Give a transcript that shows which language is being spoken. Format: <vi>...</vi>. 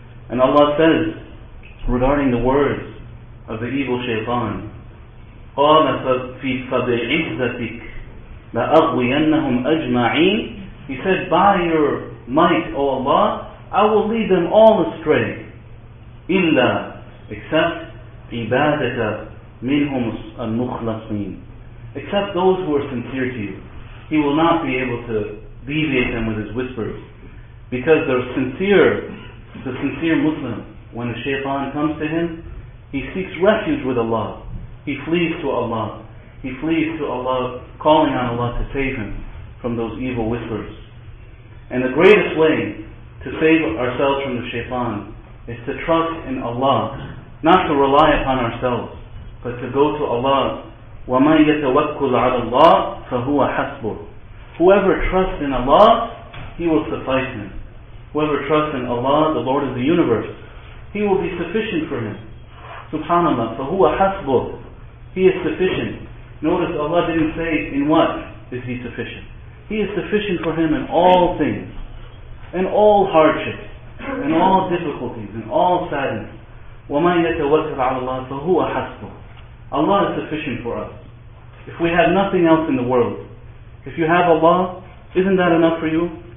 <en>And Allah says, regarding the words of the evil shaitan,</en> <ar>قال في فبعزتك لأغوينهم أجمعين.</ar> <en>He said, by your might, O Allah, I will lead them all astray.</en> <ar>إلا,</ar> <en>except</en> <ar>عبادك منهم المخلصين.</ar> <en>Except those who are sincere to you. He will not be able to deviate them with his whispers. Because they're sincere, the sincere Muslim, when the shaitan comes to him, he seeks refuge with Allah. He flees to Allah. He flees to Allah, calling on Allah to save him from those evil whispers. And the greatest way to save ourselves from the shaitan is to trust in Allah, not to rely upon ourselves, but to go to Allah.</en> <ar>وَمَنْ يَتَوَكُّلْ عَلَى اللَّهِ فَهُوَ حَسْبُهُ.</ar> <en>Whoever trusts in Allah, He will suffice him. Whoever trusts in Allah, the Lord of the universe, He will be sufficient for him.</en> <ar>Subhanallah, فَهُوَ حَسْبُهُ.</ar> <en>He is sufficient. Notice Allah didn't say in what is He sufficient. He is sufficient for him in all things, in all hardships, in all difficulties, in all sadness.</en> <ar>وَمَنْ يَتَوَكَّلْ عَلَى اللَّهِ فَهُوَ حَسْبُهُ.</ar> <en>Allah is sufficient for us. If we have nothing else in the world, if you have Allah, isn't that enough for you?</en>